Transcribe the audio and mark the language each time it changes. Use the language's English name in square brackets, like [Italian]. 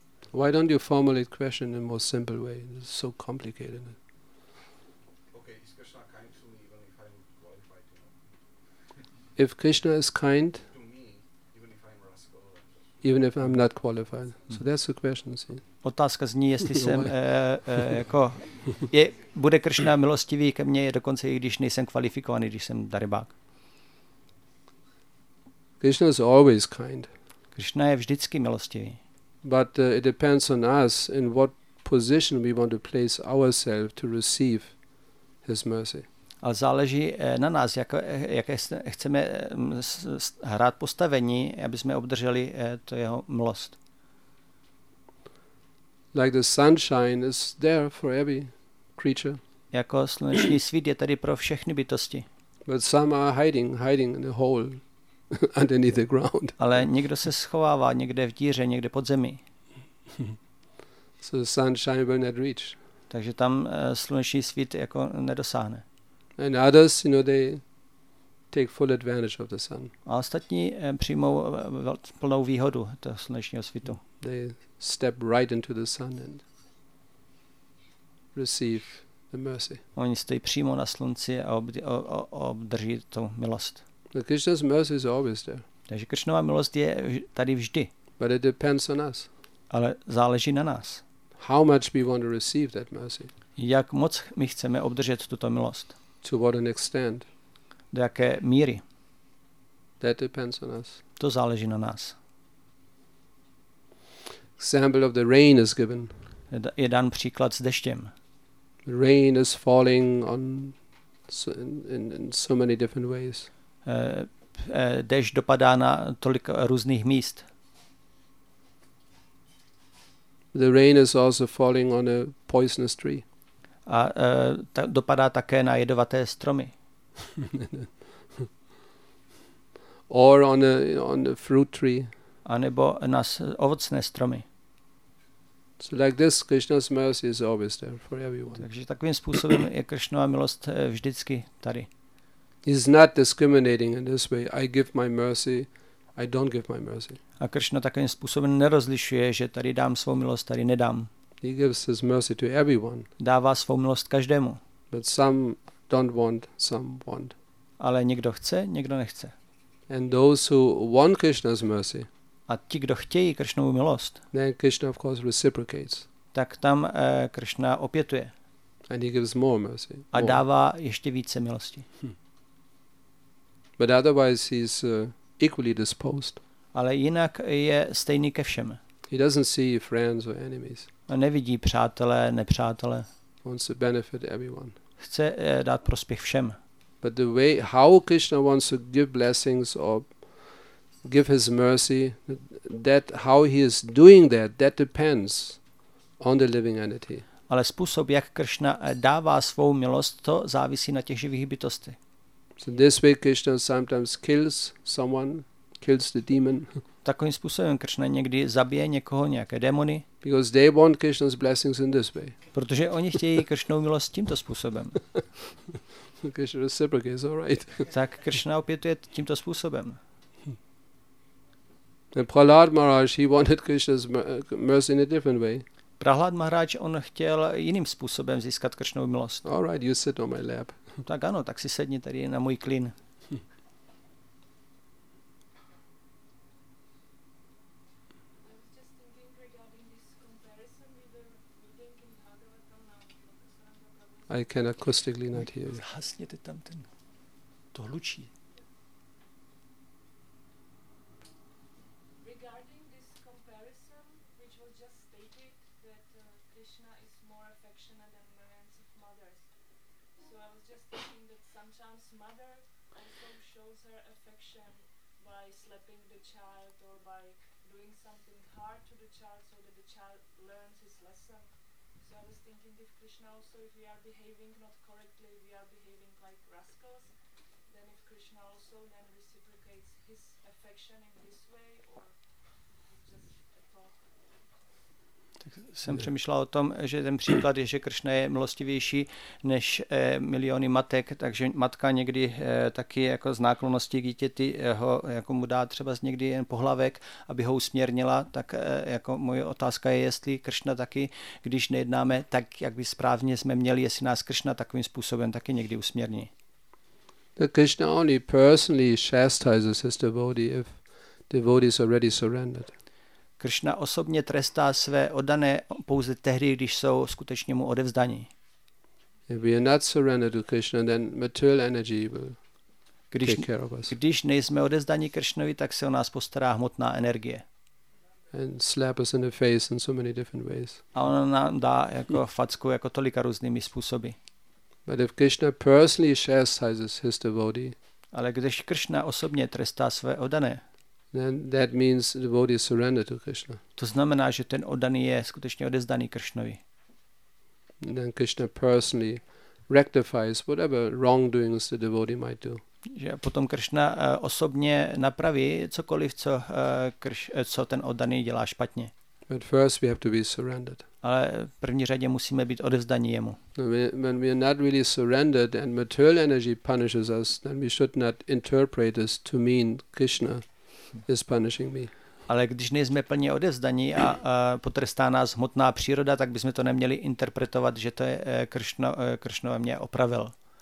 [English] Why don't you formulate question in a more simple way? It's so complicated. Okay, is Krishna kind to me even if I'm qualified to know? If Krishna is kind to me, even if I'm rascal, even if I'm not qualified. So that's the question, see. [Czech] Otázka zní, jestli jsem jako je, bude Krishna milostivý ke mně, dokonce i když nejsem kvalifikovaný, když jsem darebák. [English] Krishna is always kind. [Czech] Krishna je vždycky milostivý. [English] But it depends on us in what position we want to place ourselves to receive his mercy. [Czech] Ale záleží na nás, jaké chceme hrát postavení, aby jsme obdrželi to jeho milost. [English] Like the sunshine is there for every creature. [Czech] Jako sluneční svět je tady pro všechny bytosti. [English] But some are hiding in a hole underneath the ground. [Czech] Ale někdo se schovává někde v díře, někde pod zemí. [English] So the sunshine will not reach. [Czech] Takže tam sluneční svět jako nedosáhne. [English] And others, you know, they take full advantage of the sun. [Czech] A ostatní přijmou plnou výhodu toho slunečního svitu. [English] They step right into the sun and receive the mercy. [Czech] Oni stojí přímo na slunci a obdrží tu milost. [English] The Krishna's mercy is always there. [Czech] Takže Krishnova milost je tady vždy. [English] But it depends on us. [Czech] Ale záleží na nás. [English] How much we want to receive that mercy. [Czech] Jak moc my chceme obdržet tuto milost. [English] To what an extent. [Czech] Do jaké míry. [English] That depends on us. [Czech] To záleží na nás. [English] Example of the rain is given. [Czech] Je dán příklad s deštěm. [English] Rain is falling on so in so many different ways. [Czech] Dešť dopadá na tolik různých míst. [English] The rain is also falling on a poisonous tree. [Czech] A dopadá také na jedovaté stromy. [English] Or on a fruit tree. [Czech] A nebo na ovocné stromy. [English] So like this, Krishna's mercy is always there for everyone. [Czech] Takže takovým způsobem je Krishnova milost vždycky tady. [English] He's not discriminating in this way. I give my mercy, I don't give my mercy. [Czech] A Krishna takovým způsobem nerozlišuje, že tady dám svou milost, tady nedám. [English] He gives his mercy to everyone. [Czech] Dává svou milost každému. [English] But some don't want, some want. [Czech] Ale někdo chce, někdo nechce. [English] And those who want Krishna's mercy. [Czech] A ti, kdo chtějí Krishnovu milost. [English] Then Krishna of course reciprocates. [Czech] Tak tam Krishna opětuje. [English] And he gives more mercy. [Czech] A dává ještě více milosti. [English] But otherwise he's equally disposed. [Czech] Ale jinak je stejný ke všem. [English] He doesn't see friends or enemies. [Czech] A nevidí přátelé, nepřátelé. [English] Wants to benefit everyone. [Czech] Chce dát prospěch všem. [English] But the way how Krishna wants to give blessings or give his mercy, that how he is doing that depends on the living entity. [Czech] Ale způsob, jak Krishna dává svou milost, to závisí na těch živých bytostech. [English] So this way Krishna sometimes kills someone, kills the demon. [Czech] Takovým způsobem Krishna někdy zabije někoho, nějaké démony. [English] Because they want Krishna's blessings in this way. [Czech] Protože oni chtějí Krishnovu milost tímto způsobem. [English] Krishna reciprocates, all right. [Czech] Tak Krishna opětuje tímto způsobem. [English] And Prahlad Maharaj, he wanted Krishna's mercy in a different way. [Czech] Prahlad Maharaj, on chtěl jiným způsobem získat Krishnovu milost. [English] All right, you sit on my lap. [Czech] Tak ano, tak si sedni tady na můj klín. [English] I can acoustically not hear you. [Czech] Zhasněte tam ten, to hlučí. [English] Affection in this way or just a thought? [Czech] Tak jsem přemýšlel o tom, že ten příklad je, že Kršna je milostivější než miliony matek, takže matka někdy taky jako z náklonnosti k dítěti ho jako mu dá třeba někdy jen pohlavek, aby ho usměrnila, tak jako moje otázka je, jestli Kršna taky, když nejednáme tak, jak by správně jsme měli, jestli nás Kršna takovým způsobem taky někdy usměrní. [English] The Krishna only personally chastises his devotee if devotee is already surrendered. [Czech] Krishna osobně trestá své oddané pouze tehdy, když jsou skutečně mu odevzdaní. [English] If we are not surrendered to Krishna, then material energy will take care of us. [Czech] Když nejsme odevzdaní Krishnovi, tak se o nás postará hmotná energie. [English] And slap us in the face in so many different ways. [Czech] A ona nám dá jako facku jako tolika různými způsoby. [English] But if Krishna personally chastises his devotee, [Czech] ale když Krishna osobně trestá své oddané, [English] then that means the devotee is surrendered to Krishna. [Czech] To znamená, že ten oddaný je skutečně odevzdaný Krishnovi. [English] Then Krishna personally rectifies whatever wrongdoings the devotee might do. [Czech] Že potom Krishna osobně napraví cokoliv, co co ten oddaný dělá špatně. [English] But first we have to be surrendered. [Czech] Ale v první řadě musíme být odevzdaní jemu. [English] When we are not really surrendered and material energy punishes us, then we should not interpret this to mean Krishna is punishing me. [Czech] Ale když nejsme plně odevzdaní a potrestá nás hmotná příroda, tak bychom to neměli interpretovat, že to je Krishna mě opravil.